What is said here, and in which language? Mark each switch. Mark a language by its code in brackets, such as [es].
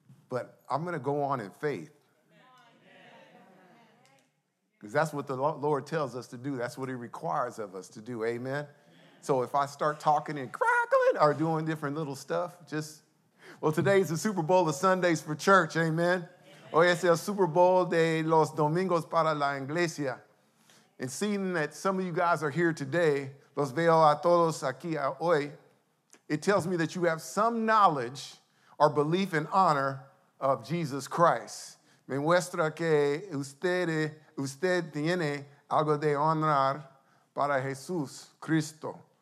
[en] But I'm going to go on in faith. Because that's what the Lord tells us to do. That's what He requires of us to do. Amen? So if I start talking and crackling or doing different little stuff, today's the Super Bowl of Sundays for church. Amen? [es] Hoy es el Super Bowl de los Domingos para la Iglesia. [en] And seeing that some of you guys are here today, [es] los veo a todos aquí hoy, [en] it tells me that you have some knowledge or belief in honor of Jesus Christ. [es] Me muestra que usted tiene algo de honrar para Jesús Cristo.